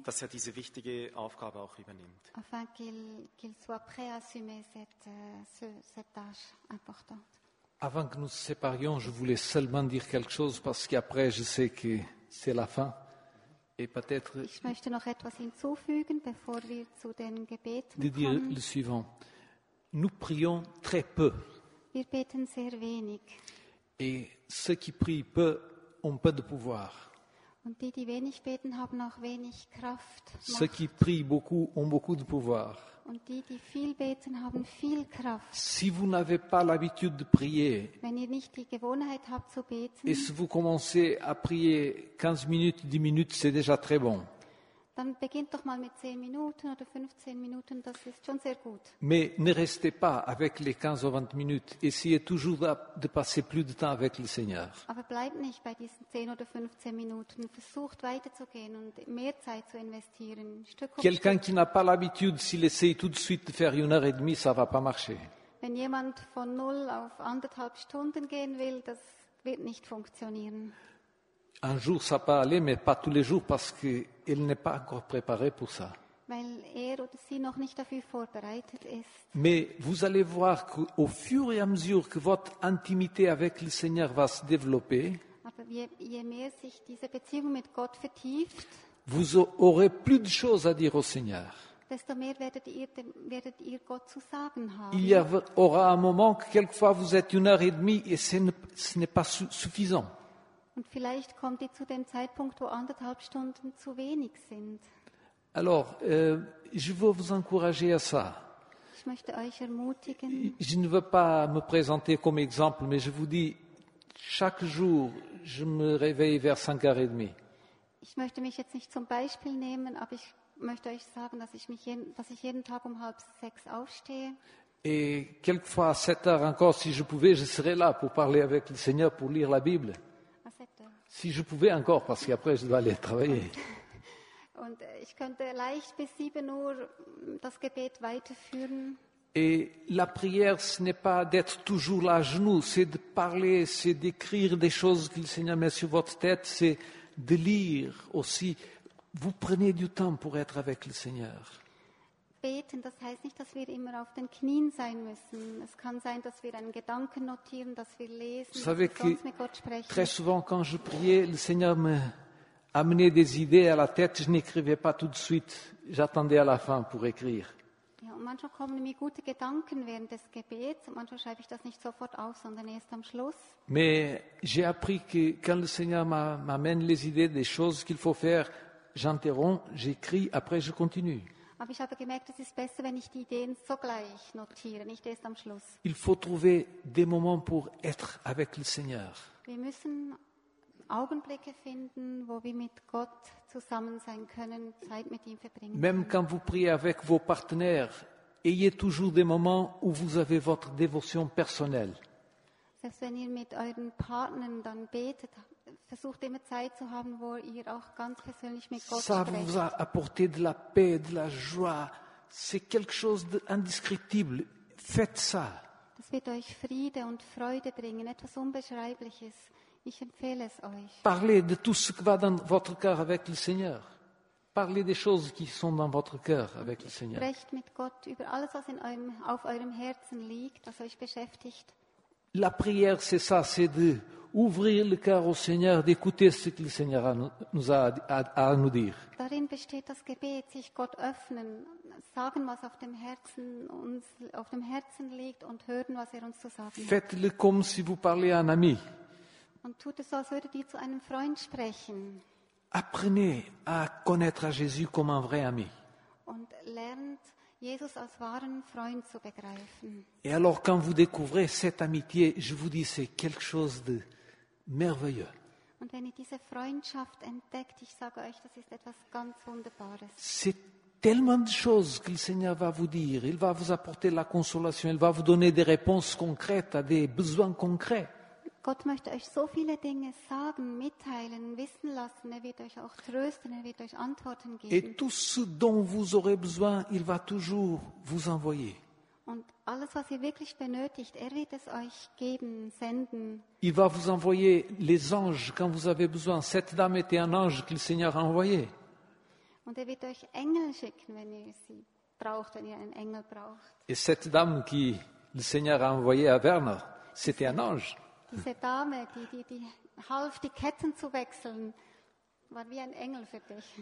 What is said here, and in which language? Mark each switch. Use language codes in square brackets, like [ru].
[de] Dass er diese wichtige Aufgabe auch übernimmt. [fr] Afin qu'il soit prêt à assumer cette tâche importante. Avant que nous nous séparions, je voulais seulement dire quelque chose parce qu'après, je sais que c'est la fin. Et peut-être. [de] Ich möchte noch etwas hinzufügen, bevor wir zu den Gebeten kommen. [fr] De dire le suivant. Nous prions très peu. [de] Wir beten sehr wenig. [fr] Et ceux qui prient peu ont peu de pouvoir. [de] Und die wenig beten, haben auch wenig Kraft. [fr] Ceux qui prient beaucoup ont beaucoup de pouvoir. [de] Und die viel beten, haben viel Kraft. [fr] Si vous n'avez pas l'habitude de prier, [de] wenn ihr nicht die Gewohnheit habt zu beten, [fr] et si vous commencez à prier 15 minutes, 10 minutes, c'est déjà très bon. [de] Dann beginnt doch mal mit 10 Minuten oder 15 Minuten, das ist schon sehr gut. [fr] Mais ne restez pas avec les 15 ou 20 minutes, essayez toujours de passer plus de temps avec le Seigneur. [de] Aber bleibt nicht bei diesen 10 oder 15 Minuten, versucht weiterzugehen und mehr Zeit zu investieren. [fr] Quelqu'un qui n'a pas l'habitude, s'il essaye tout de suite de faire une heure et demie, ça va pas marcher. [de] Wenn jemand von 0 auf 1,5 Stunden gehen will, das wird nicht funktionieren. [fr] Un jour ça peut aller, mais pas tous les jours parce que il n'est pas encore préparé pour ça. [de] Weil oder sie noch nicht dafür vorbereitet ist. [fr] Mais vous allez voir qu'au fur et à mesure que votre intimité avec le Seigneur va se développer, [de] aber je mehr sich diese Beziehung mit Gott vertieft, [fr] vous aurez plus de choses à dire au Seigneur. [de] Desto mehr werdet ihr Gott zu sagen haben. [fr] Il y aura un moment que quelquefois vous êtes une heure et demie et ce n'est pas suffisant. [de] Und vielleicht kommt ihr zu dem Zeitpunkt, wo 1,5 Stunden zu wenig sind. [fr] Alors, je veux vous encourager à ça. [de] Ich möchte euch ermutigen. [fr] Je ne veux pas me présenter comme exemple, mais je vous dis, chaque jour, je me réveille vers 5h30. [de] Ich möchte mich jetzt nicht zum Beispiel nehmen, aber ich möchte euch sagen, dass ich jeden Tag um 5:30 aufstehe. [fr] Et quelquefois, à 7h encore, si je pouvais, je serais là pour parler avec le Seigneur, pour lire la Bible. Si je pouvais encore, parce qu'après je dois aller travailler. [de] Und ich könnte leicht bis 7 Uhr das Gebet weiterführen. [fr] Et la prière, ce n'est pas d'être toujours là à genoux, c'est de parler, c'est d'écrire des choses que le Seigneur met sur votre tête, c'est de lire aussi. Vous prenez du temps pour être avec le Seigneur. [de] Beten, das heißt nicht, dass wir immer auf den Knien sein müssen. Es kann sein, dass wir einen Gedanken notieren, dass wir lesen, dass wir sonst mit Gott sprechen. [fr] Très souvent, quand je priais, le Seigneur me amenait des idées à la tête. Je n'écrivais pas tout de suite. J'attendais à la fin pour écrire. [de] Ja, und manchmal kommen mir gute Gedanken während des Gebets. Und manchmal schreibe ich das nicht sofort auf, sondern erst am Schluss. [fr] Mais j'ai appris que quand le Seigneur m'amène les idées des choses qu'il faut faire, j'interromps, j'écris, après je continue. [de] Aber ich habe gemerkt, es ist besser, wenn ich die Ideen sogleich notiere, nicht erst am Schluss. [fr] Il faut trouver des moments pour être avec le Seigneur. [de] Wir müssen Augenblicke finden, wo wir mit Gott zusammen sein können, Zeit mit ihm verbringen. [fr] Même quand vous priez avec vos partenaires, ayez toujours des moments où vous avez votre dévotion personnelle. [de] Selbst wenn ihr mit euren Partnern dann betet, versucht immer Zeit zu haben, wo ihr auch ganz persönlich mit Gott sprecht. [fr] Ça vous a apporté de la paix, de la joie. C'est quelque chose d'indescriptible. Faites ça. [de] Das wird euch Friede und Freude bringen, etwas Unbeschreibliches. Ich empfehle es euch. [fr] Parlez de tout ce qui va dans votre cœur avec le Seigneur. Parlez des choses qui sont dans votre cœur avec le Seigneur. [de] Sprecht mit Gott über alles, was in eurem, auf eurem Herzen liegt, was euch beschäftigt. [fr] La prière, c'est ça, c'est d'ouvrir le cœur au Seigneur, d'écouter ce que le Seigneur a à nous dire. [de] Darin besteht das Gebet, sich Gott öffnen, sagen, was auf dem Herzen, uns, auf dem Herzen liegt und hören, was er uns zu sagen hat. [fr] Faites-le comme si vous parliez à un ami. [de] Und tut es so, als würdet ihr zu einem Freund sprechen. [fr] Apprenez à connaître Jésus comme un vrai ami. [de] Und lernt, Jesus als wahren Freund zu begreifen. [fr] Et alors, quand vous découvrez cette amitié, je vous dis, c'est quelque chose de merveilleux. [de] Und wenn ihr diese Freundschaft entdeckt, ich sage euch, das ist etwas ganz Wunderbares. [fr] C'est tellement de choses que le Seigneur va vous dire. Il va vous apporter la consolation. Il va vous donner des réponses concrètes à des besoins concrets. [de] Gott möchte euch so viele Dinge sagen, mitteilen, wissen lassen. Er wird euch auch trösten, er wird euch Antworten geben. [fr] Et tout ce dont vous aurez besoin, il va toujours vous envoyer. [de] Und alles, was ihr wirklich benötigt, er wird es euch geben, senden. [fr] Il va vous envoyer les anges quand vous avez besoin. Cette dame était un ange que le Seigneur a envoyé. [de] Und er wird euch Engel schicken, wenn ihr sie braucht, wenn ihr einen Engel braucht. [fr] Et cette dame qui le Seigneur a envoyé à Werner, c'était un ange. [de] Diese Dame, die half, die Ketten zu wechseln, war wie ein Engel für dich.